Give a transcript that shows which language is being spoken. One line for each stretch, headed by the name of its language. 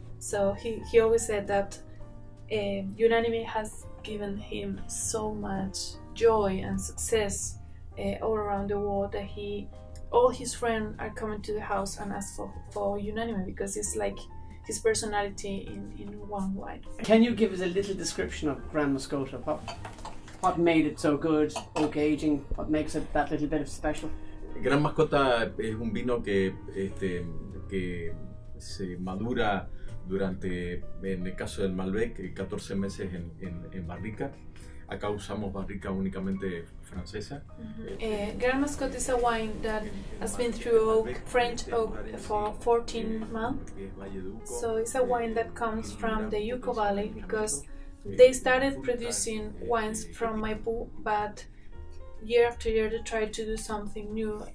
English: So he always said that Unanime has given him so much joy and success all around the world that all his friends are coming to the house and ask for Unanime because it's like his personality in one wine. Can you give us a little description of Grand Mascota? What made it so good? Oak aging, what makes it that little bit of special?
Spanish: Grand Mascota es un vino que que se madura durante, en el caso del Malbec, 14 meses en barrica. Acá usamos barrica únicamente francesa. Mm-hmm.
English: Grand Mascot is a wine that has been through oak, French oak, for 14 months. So it's a wine that comes from the Yuko Valley because they started producing wines from Maipú, but year after year they tried to do something new.